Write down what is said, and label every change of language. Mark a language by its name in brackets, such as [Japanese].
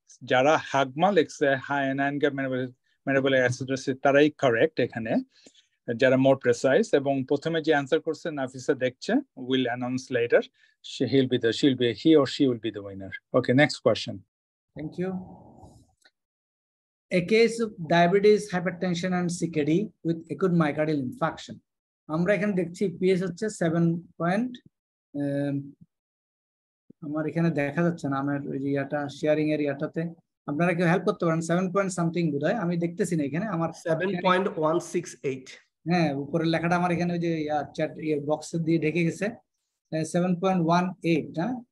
[Bangla] যারা হাগমা লিখছে high anion কে metabolic acidosis, তারাই কারেক্ট এখানে, যারা মোর প্রেসাইজ। এবং প্রথমে যে অ্যান্সার করছে নাফিসা দেখছে, [English] Will announce later, সে he'll be the she'll be he or she will be the winner. Okay, next question. Thank you. A case of diabetes, hypertension and CKD with acute myocardial infarction. [Bangla] আমরা এখানে দেখছি PS হচ্ছে 7. আমার এখানে দেখা যাচ্ছে না আমার এরিয়াটা, শেয়ারিং এরিয়াটাতে আপনারা কেউ হেল্প করতে পারেন, 7. সামথিং বোধহয়, আমি দেখতেছি না এখানে, আমার 7.168। হ্যাঁ, উপরের লেখাটা আমার এখানে ওই যে চ্যাট বক্স দিয়ে ঢেকে গেছে, 7.18,